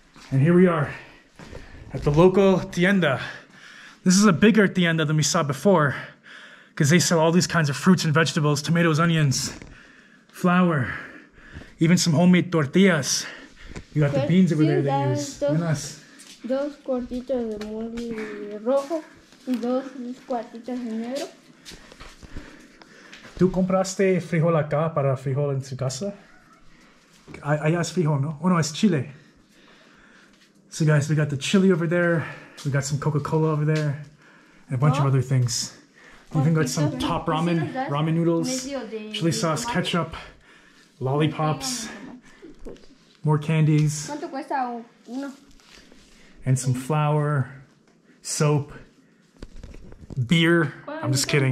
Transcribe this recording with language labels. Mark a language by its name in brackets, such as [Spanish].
[English] And here we are at the local tienda. This is a bigger tienda than we saw before because they sell all these kinds of fruits and vegetables, tomatoes, onions, flour, even some homemade tortillas. You got the beans over there they use. [Spanish] Dos cuartitos de mole rojo y dos cuartitos de negro. ¿Tú compraste frijol acá para frijol en su casa? Allá es frijol, ¿no? Oh, no, es chile. [English] So guys, we got the chili over there. We got some Coca-Cola over there, and a bunch of other things. We even got some top ramen noodles, chili sauce, ketchup, lollipops, more candies, and some flour, soap, beer. I'm just kidding.